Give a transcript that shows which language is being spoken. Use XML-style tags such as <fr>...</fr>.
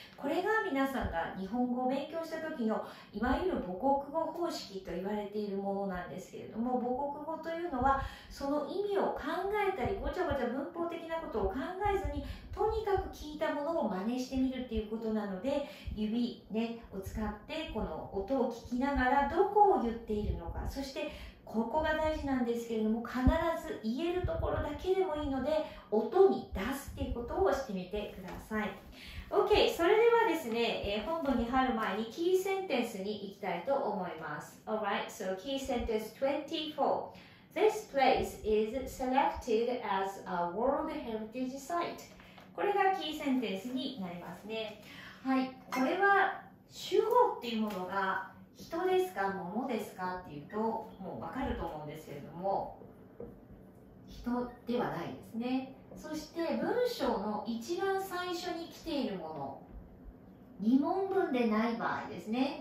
<ja>これが皆さんが日本語を勉強した時のいわゆる母国語方式と言われているものなんですけれども、母国語というのはその意味を考えたり、ごちゃごちゃ文法的なことを考えずに、とにかく聞いたものを真似してみるっていうことなので、指、ね、を使ってこの音を聞きながらどこを言っているのか、そしてここが大事なんですけれども、必ず言えるところだけでもいいので、音に出すっていうことをしてみてください。 OK、それではですね、本文に入る前にキーセンテンスに行きたいと思います。</ja> <en>Alright, so key sentence 24. This place is selected as a World Heritage Site.</en> <ja>これがキーセンテンスになりますね。はい、これは主語っていうものが人ですか、桃ですかっていうと、もうわかると思うんですけれども、人ではないですね。そして文章の一番最初に来ているもの、疑問文でない場合ですね。</ja>